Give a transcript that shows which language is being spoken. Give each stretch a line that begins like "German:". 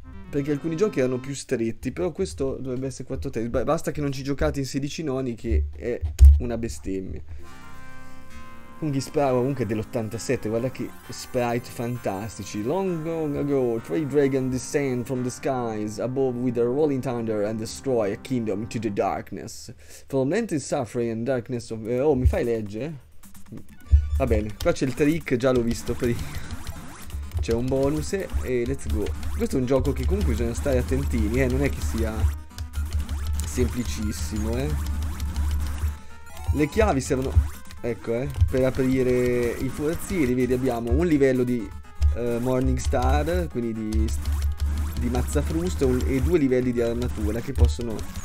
Italian: Perché alcuni giochi erano più stretti, però questo dovrebbe essere 4 terzi. Basta che non ci giocate in 16 noni, che è una bestemmia. Funghi Sparrow comunque è dell'87, guarda che sprite fantastici.
English: Long, long ago, three dragons descend from the skies above with a rolling thunder and destroy a kingdom into the darkness. Torment and suffering and darkness of...
Italian: Oh, mi fai legge? Va bene, qua c'è il trick, già l'ho visto prima. C'è un bonus e
English: let's go.
Italian: Questo è un gioco che comunque bisogna stare attentini, non è che sia semplicissimo, eh. Le chiavi servono... Ecco, per aprire i forzieri, vedi, abbiamo un livello di Morningstar, quindi di mazzafrusto, e due livelli di armatura che possono...